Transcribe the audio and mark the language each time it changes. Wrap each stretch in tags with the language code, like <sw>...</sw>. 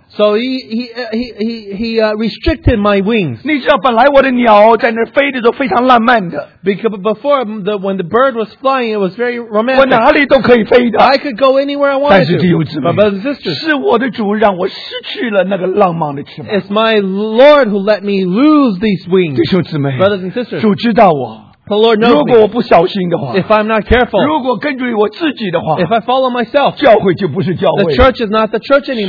<en>So he restricted my wings.</en> <zh>你知道本来我的鸟在那飞的都非常浪漫的。</zh> <en>Because before when the bird was flying, it was very romantic.</en> <zh>我哪里都可以飞的。</zh> <en>I could go anywhere I wanted.</en> <zh>但是弟兄姊妹，</zh> <en>my brothers and sisters,</en> <zh>是我的主让我失去了那个浪漫的翅膀。</zh> <en>It's my Lord who let me lose these wings.</en> <zh>弟兄姊妹，</zh> <en>brothers and sisters,</en> <zh>主知道我。</zh> <en>The Lord knows.</en> <zh>如果我不小心的话，</zh> <en>if I'm not careful,</en> <zh>如果根据我自己的话，</zh> <en>if I follow myself,</en> <zh>教会就不是教会，</zh> <en>the church is not the church anymore.</en>